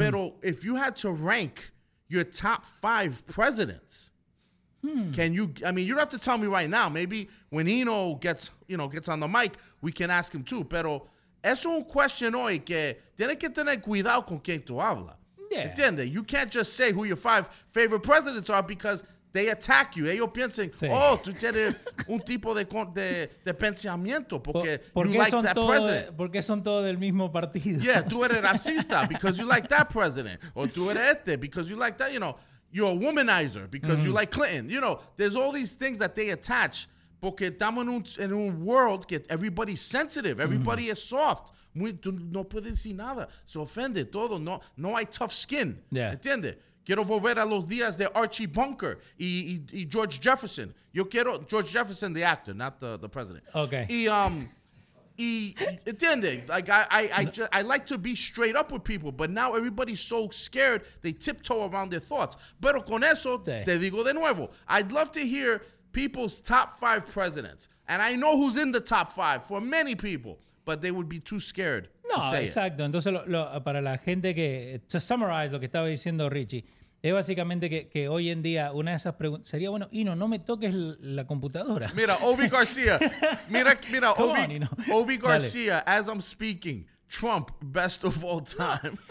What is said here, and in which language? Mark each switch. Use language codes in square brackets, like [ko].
[es] Pero [en] if you had to rank your top 5 presidents, can you, I mean, you don't have to tell me right now. Maybe when Eno gets on the mic, we can ask him too. [es] Pero es un question hoy que tienes que tener cuidado con quien tú hablas. [en] Yeah. [es] Entiende? [en] You can't just say who your 5 favorite presidents are because they attack you. [es] Ellos piensan, sí. Oh, tú tienes un tipo de pensamiento porque [en] you like that president. [es] Porque son todos del mismo partido. [en] Yeah, [es] tú eres racista [en] because you like that president. [es] O tú eres este [en] because you like that, you know. You're a womanizer because you like Clinton. You know, there's all these things that they attach [es] porque estamos en un [en] world [es] que [en] everybody's sensitive. Everybody is soft. [es] No puedes decir nada. Se ofende todo. No hay tough skin. [en] Yeah. [es] ¿Entiende? Quiero volver a los días de Archie Bunker y George Jefferson. Yo quiero [en] George Jefferson, the actor, not the president. Okay. [es] Y entiende, [en] like I like to be straight up with people, but now everybody's so scared they tiptoe around their thoughts. [es] Pero con eso te digo de nuevo, [en] I'd love to hear people's top five presidents, and I know who's in the top five for many people, but they would be too scared. [es] No, exacto. Entonces, para la gente que... [en] To summarize [es] lo que estaba diciendo Richie, es básicamente que hoy en día una de esas preguntas... Sería bueno, Ino, no me toques la computadora. [en] Mira, Ovi García. Mira, Ovi García, as I'm speaking, Trump, best of all time.